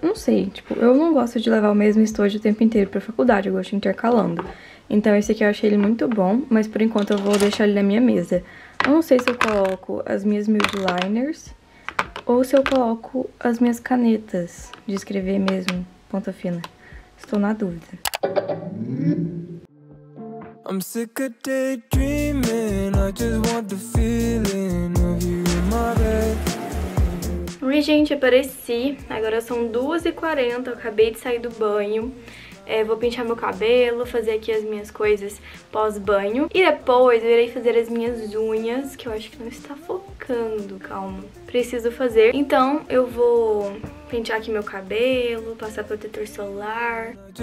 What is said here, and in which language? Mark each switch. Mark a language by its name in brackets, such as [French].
[Portuguese] Não sei, tipo, eu não gosto de levar o mesmo estojo o tempo inteiro pra faculdade, eu gosto de intercalando. Então esse aqui eu achei ele muito bom, mas por enquanto eu vou deixar ele na minha mesa. Eu não sei se eu coloco as minhas mild liners ou se eu coloco as minhas canetas de escrever mesmo, ponta fina. Estou na dúvida. [English] I'm sick of daydreaming, I just want the feeling of you in my bed. [Portuguese] Oi, gente, apareci. Agora são 2h40, acabei de sair do banho. É, vou pentear meu cabelo, fazer aqui as minhas coisas pós-banho. E depois eu irei fazer as minhas unhas, que eu acho que não está focando. Calma, preciso fazer. Então eu vou pentear aqui meu cabelo, passar protetor solar.